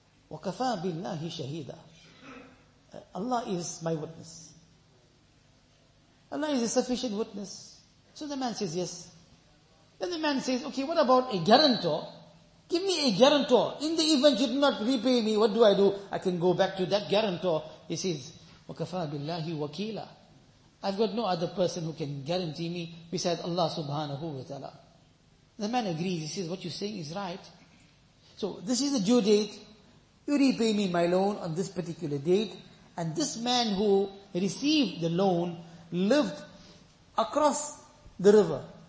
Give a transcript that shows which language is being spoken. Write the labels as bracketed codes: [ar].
[ar] وَكَفَى بِاللَّهِ شَهِيدًا. [en] Allah is my witness. Allah is a sufficient witness. So the man says, yes. Then the man says, okay, what about a guarantor? Give me a guarantor. In the event you do not repay me, what do? I can go back to that guarantor. He says, [ar] وَكَفَى بِاللَّهِ وَكِيلًا. [en] I've got no other person who can guarantee me besides Allah subhanahu wa ta'ala. The man agrees. He says, what you're saying is right. So this is the due date. You repay me my loan on this particular date. And this man who received the loan lived across the river.